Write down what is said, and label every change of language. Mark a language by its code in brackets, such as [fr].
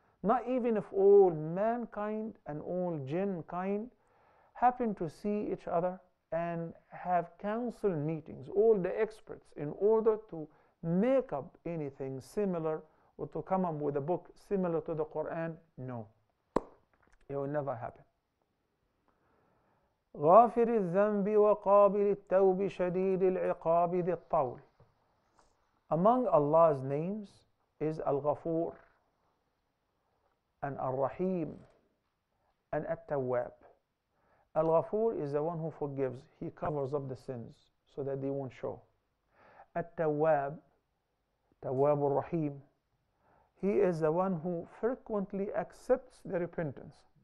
[en] Not even if all mankind and all jinnkind happen to see each other and have council meetings, all the experts, in order to make up anything similar or to come up with a book similar to the Qur'an, no. It will never happen. [ar] غافر الذنب وقابل التوب شديد العقاب ذي الطول. [en] Among Allah's names is Al-Ghafur and Al-Rahim and At-Tawwab. Al-Ghafur is the one who forgives. He covers up the sins so that they won't show. At-Tawwab, Tawwab al-Rahim, he is the one who frequently accepts the repentance.